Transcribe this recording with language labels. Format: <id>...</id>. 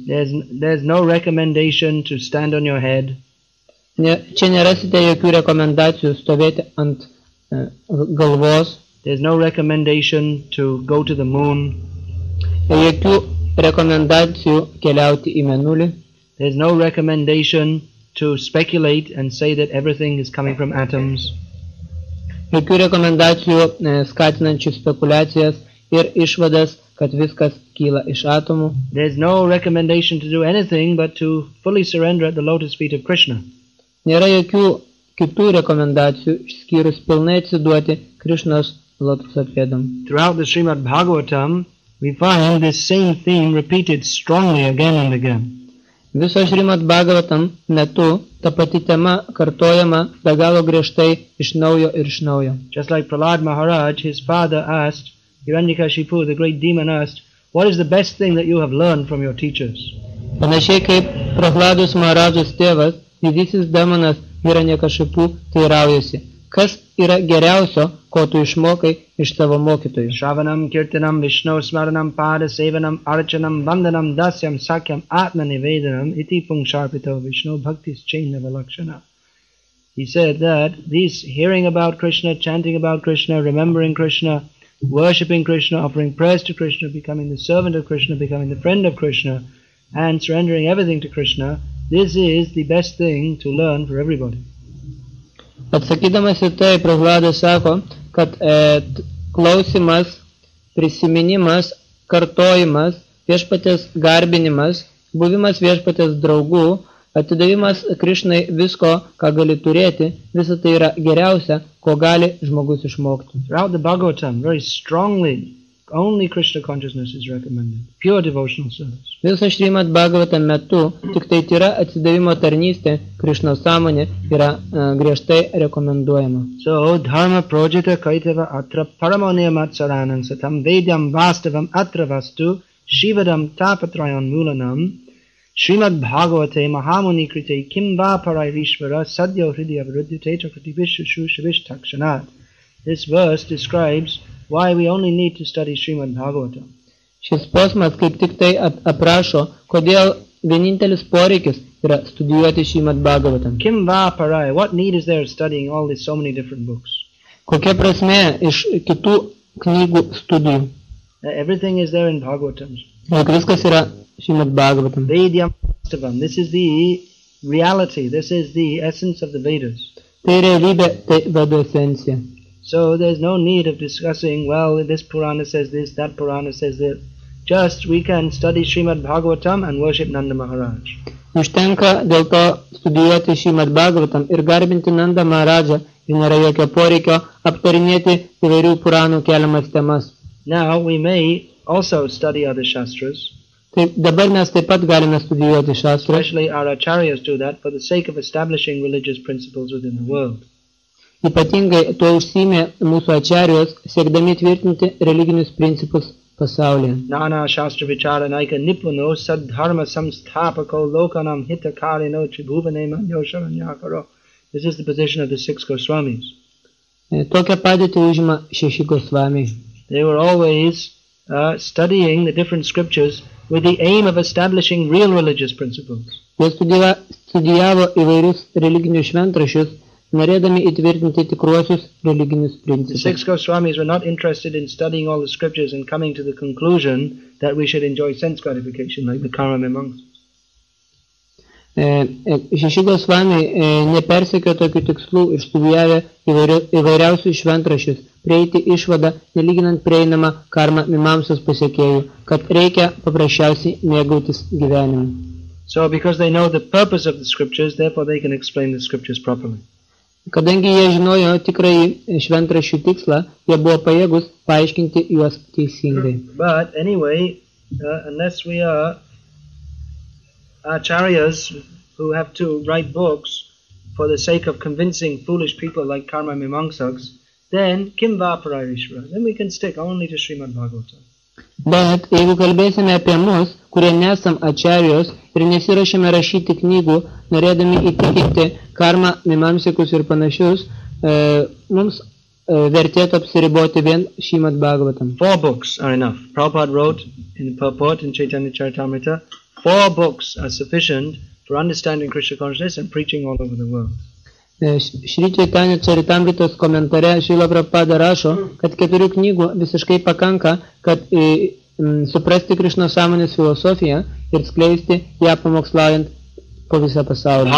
<en>There's no recommendation to stand on your head.</en> <lt>Čia nerasite jokių rekomendacijų stovėti ant galvos.</lt> <en>There's no recommendation to go to the moon.</en> <lt>Jokių rekomendacijų keliauti į mėnulį.</lt> <en>There's no recommendation to speculate and say that everything is coming from atoms.</en> <lt>Jokių rekomendacijų skatinančių spekulacijas ir išvadas, kad viskas kyla iš atomų.</lt> <en>There's no recommendation to do anything but to fully surrender at the lotus feet of Krishna.</en> <lt>Nėra jokių kitų rekomendacijų, išskyrus pilnai atsiduoti Krishnas lotuso pėdam.</lt> <en>Throughout the Srimad Bhagavatam, we find this same theme repeated strongly again and again.</en> <lt>Viso Srimad Bhagavatam metu ta pati tema kartojama be galo griežtai iš naujo ir iš naujo.</lt> <en>Just like Prahlad Maharaj, his father asked, Hiranyakashipu, the great demon asked, what is the best thing that you have learned from your teachers?</en> <lt>Panašiai kaip Prahladus Maharajas tėvas, didysis demonas Hiranyakashipu teiraujasi, kas yra geriausio, ko tu išmokai iš savo mokytojų?</lt> <sa>Shravanam, kirtinam, vishnau, smaranam, pada, sevanam, archanam, vandanam, dasyam, sakyam, atmani, vedanam, iti pungsharpito, vishnau, bhaktis, chainava, lakshana.</sa> <en>He said that these hearing about Krishna, chanting about Krishna, remembering Krishna, worshipping Krishna, offering prayers to Krishna, becoming the servant of Krishna, becoming the friend of Krishna, and surrendering everything to Krishna, this is the best thing to learn for everybody.</en> <lt>Atsakydamas į tai, Prahladas sako, kad klausimas, prisiminimas, kartojimas, viešpatės garbinimas, buvimas viešpatės draugų, atidavimas Krishnai visko, ką gali turėti, visa tai yra geriausia, ko gali žmogus išmokti.</lt> <en>Throughout the Bhagavatam, very strongly, only Krishna consciousness is recommended. Pure devotional service.</en> <lt>Visą Srimad Bhagavatam metu, tik tai yra atsidavimo tarnystė, Krishna sąmonė yra griežtai rekomenduojama.</lt> <sa>So, dharma projita kaitava atra paramoniam atsaranam satam vedyam vastavam atravastu shivadam tapatrayon mulanam Srimad Bhagavate Mahamuni Krite Kimba Parairishvara Sadhya Hridya Vrudyutetra Kriti Vishushu Shivishtakshanat.</sa> <en>This verse describes why we only need to study Srimad Bhagavatam.</en> <lt>Šis posmas kaip tik tai aprašo, kodėl vienintelis poreikis yra studijuoti Šrimad Bhagavatam.</lt> <sa>Kim va parai,</sa> <en>what need is there studying all these so many different books?</en> <lt>Kokia prasmė iš kitų knygų studijų?</lt> <en>Everything is there in Bhagavatam.</en> <lt>Viskas yra Šrimad Bhagavatam.</lt> <sa>Vedyam Astavam,</sa> <en>this is the reality, this is the essence of the Vedas.</en> <lt>Tai realybė, tai Vedų esencija.</lt> <en>So there's no need of discussing, well, this Purana says this, that Purana says that. Just we can study Srimad Bhagavatam and worship Nanda Maharaj.</en> <lt>Užtenka dėl to studijuoti Srimad Bhagavatam ir garbinti Nanda Maharaja, ir nėra jokio poreikio aptarinėti įvairių Puranų keliamas temas.</lt> <en>Now we may also study other Shastras.</en> <lt>Tai dabar mes taip pat galime studijuoti Shastras.</lt> <en>Especially our Acharyas do that for the sake of establishing religious principles within the world.</en> <lt>Ypatingai to užsiėmė mūsų ačiarijos, siekdami tvirtinti religinius principus pasaulyje.</lt> <sa>Nana shastra vichara naika nipuno sad dharma samsthapako lokanam hitakarino chibhuvane manyosharanyakaro.</sa> <en>This is the position of the six Goswamis.</en> <lt>Tokia padėtį užima šeši Goswami.</lt> <en>They were always studying the different scriptures with the aim of establishing real religious principles.</en> <lt>Jie studijavo įvairius religinius šventrašius, norėdami įtvirtinti tikruosius religinius principus.</lt> <en>The six Goswamis were not interested in studying all the scriptures and coming to the conclusion that we should enjoy sense gratification like the Karma monks.</en> <lt>Šeši Goswami nepersekė tokių tikslų ir studijavę įvairiausius šventrašius, prieiti išvadą, nelyginant prieinamą Karma mimamsos pasiekėjų, kad reikia paprasčiausiai mėgautis gyvenimu.</lt> <en>So because they know the purpose of the scriptures, therefore they can explain the scriptures properly.</en> <lt>Kadangi jie žinojo tikrai šventrašių tikslą, jie buvo pajėgus paaiškinti juos teisingai.</lt> <en>But anyway, unless we are acharyas who have to write books for the sake of convincing foolish people like Karma Mimamsaks, then</en> <sa>kim va parairishvara?</sa> <en>Then we can stick only to Srimad Bhagavatam.</en> <lt>Bet jeigu kalbėsime apie mus, kurie nesam ačiarijos ir nesirašėme rašyti knygų, norėdami įtikinti karmą, mimamsikus ir panašius, mums vertėtų apsiriboti vien Srimad Bhagavatam.</lt> <en>Four books are enough. Prabhupada wrote in the purport in Chaitanya Charitamrita, four books are sufficient for understanding Krishna consciousness and preaching all over the world.</en> <lt>Šri Čaitanya Čaritamritos komentare Šrila Prabhupada rašo, kad keturių knygų visiškai pakanka, kad suprasti Krišno sąmonės filosofiją ir skleisti ją pamokslaujant po visą pasaulį.</lt>